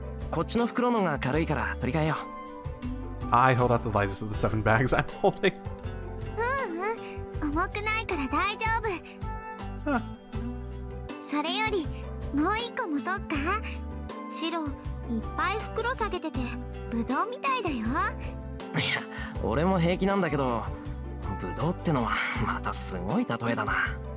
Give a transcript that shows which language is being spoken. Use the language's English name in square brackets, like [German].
[Japanese] こっちの袋のが軽いから取り替えよう。 [English] I hold out the lightest of the seven bags I'm holding. [Japanese] うん、重くないから大丈夫。それよりもう一個も取っか。シロ、いっぱい袋下げててブドウみたいだよ。いや、俺も平気なんだけど、ブドウってのはまたすごい例えだな。